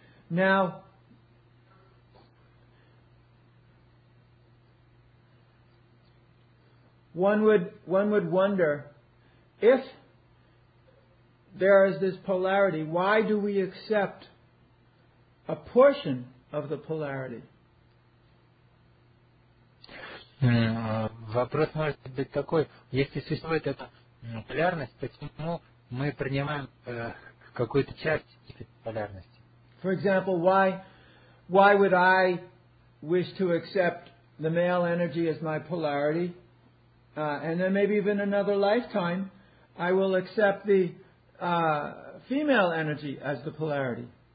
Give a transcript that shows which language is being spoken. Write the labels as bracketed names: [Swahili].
[English] Now, one would wonder, if there is this polarity, why do we accept a portion of the polarity? [Russian] Вопрос может быть такой, если существует эта полярность, почему мы принимаем какую-то часть полярности. [English] For example, why would I wish to accept the male energy as my polarity? And then maybe even another lifetime, I will accept the female energy as the polarity.